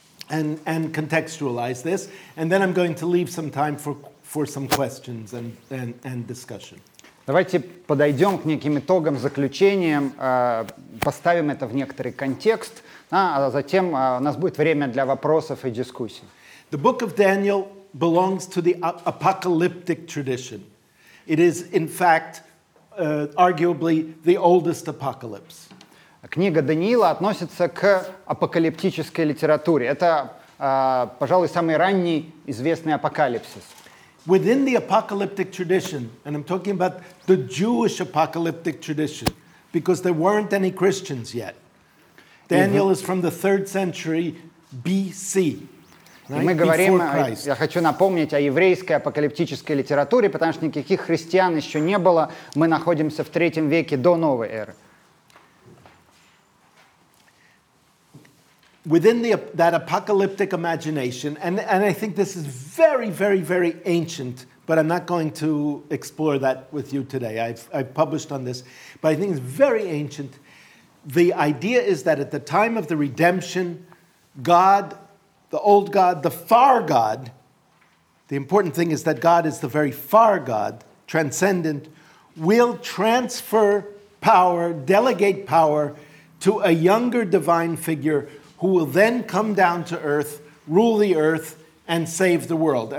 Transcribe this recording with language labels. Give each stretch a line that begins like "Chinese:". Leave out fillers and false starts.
English: And contextualize this, and then I'm going to leave some time for some questions and discussion.
Russian: Давайте подойдем к неким итогам, заключениям, поставим это в некоторый контекст, а затем у нас будет время для вопросов и дискуссий.
English: The book of Daniel belongs to the apocalyptic tradition. It is, in fact, arguably the oldest apocalypse.
Russian: Книга Даниила относится к апокалиптической литературе. Это, пожалуй, самый ранний известный апокалипсис.
English: Within the apocalyptic tradition, and I'm talking about the Jewish apocalyptic tradition, because there weren't any Christians yet. Daniel is from the 3rd century BC. Right?
Russian: Мы говорим, я хочу напомнить о еврейской апокалиптической литературе, потому что никаких христиан еще не было. Мы находимся в 3 веке до новой эры.
English: Within that apocalyptic imagination, and I think this is very, very, very ancient, but I'm not going to explore that with you today. I've published on this, but I think it's very ancient. The idea is that at the time of the redemption, God, the old God, the far God, the important thing is that God is the very far God, transcendent, will transfer power, delegate power to a younger divine figure who will then come down to earth, rule the earth, and save the world.